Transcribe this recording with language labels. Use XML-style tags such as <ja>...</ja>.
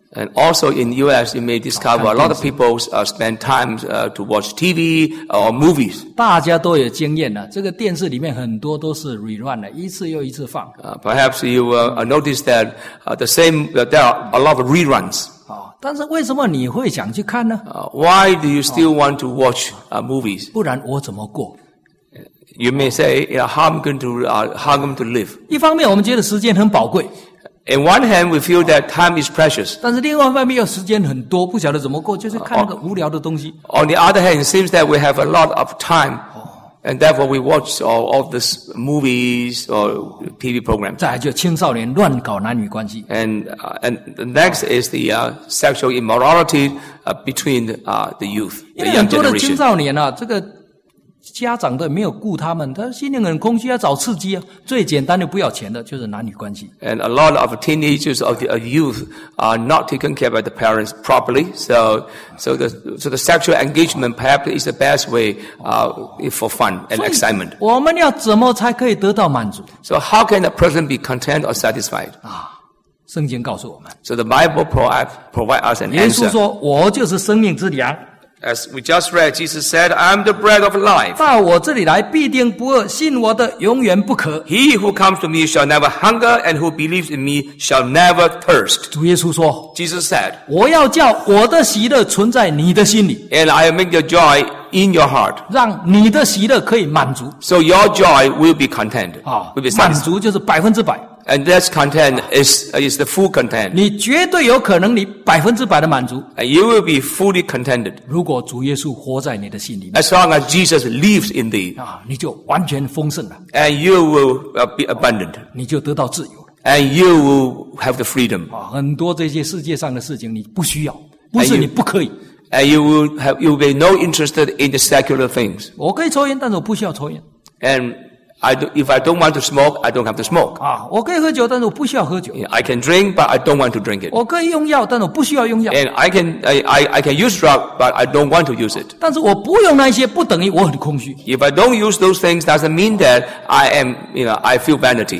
<en>And also in the US, you may discover a lot of people spend time to watch TV or movies.</en> <zh>大家都有经验了，这个电视里面很多都是 rerun 的，一次又一次放。</zh> <en>Perhaps you will notice that the same there are a lot of reruns.</en> <zh>但是为什么你会想去看呢？</zh> <en>Why do you still want to watch movies?</en> <zh>不然我怎么过？</zh> <en>You may say, yeah, how I'm going to live.</en> <zh>一方面我们觉得时间很宝贵。</zh> <en>In one hand, we feel that time is precious.</en> <zh>但是另外一方面又时间很多，不晓得怎么过，就是看那个无聊的东西。</zh> <en>On the other hand, it seems that we have a lot of time. And therefore we watch all these movies or TV programs.</en> <zh>再来就青少年乱搞男女关系。</zh> <en>And the next is the sexual immorality between the youth. The young generation.</en> <zh>因为很多的青少年啊，这个家长的没有顾他们，他心灵很空虚，要找刺激啊。最简单的不要钱的，就是男女关系。</zh> <en>And a lot of teenagers of the youth are not taken care by the parents properly. So the sexual engagement perhaps is the best way for fun and excitement.</en> <zh>我们要怎么才可以得到满足</zh> <en>？So how can a person be content or satisfied？</en> <zh>圣经告诉我们。</zh> <en>So the Bible provide us an answer.</en> <zh>耶稣说：“我就是生命之粮。”</zh> <en>As we just read, Jesus said, "I'm the bread of life."</en> <zh>到我这里来必定不饿，信我的永远不渴。</zh> <en>He who comes to me shall never hunger, and who believes in me shall never thirst.</en> <zh>主耶稣说</zh> <en>，Jesus said,</en> <zh>我要叫我的喜乐存在你的心里</zh> <en>，and I'll make your joy in your heart.</en> <zh>让你的喜乐可以满足</zh> <en>，so your joy will be content.</en> <zh>满足就是百分之百。</zh> <en>And that content is the full content.</en> <zh>你绝对有可能，你百分之百的满足。</zh> <en>And you will be fully contented.</en> <zh>如果主耶稣活在你的心里面。</zh> <en>As long as Jesus lives in thee.</en> <zh>你就完全丰盛了。</zh> <en>And you will be abundant.</en> <zh>你就得到自由了。</zh> <en>And you will have the freedom.</en> <zh>很多这些世界上的事情你不需要，不是你不可以。</zh> <en>And you will have, you will be no interested in the secular things.</en> <zh>我可以抽烟，但是我不需要抽烟。</zh> <en>If I don't want to smoke, I don't have to smoke.</en> <zh>我可以喝酒，但是我不需要喝酒。</zh> <en>I can drink, but I don't want to drink it.</en> <zh>我可以用药，但是我不需要用药。</zh> <en>And I can use drug, but I don't want to use it.</en> <zh>但是我不用那些，不等于我很空虚。</zh> <en>If I don't use those things, doesn't mean that I am, you know, I feel vanity.</en>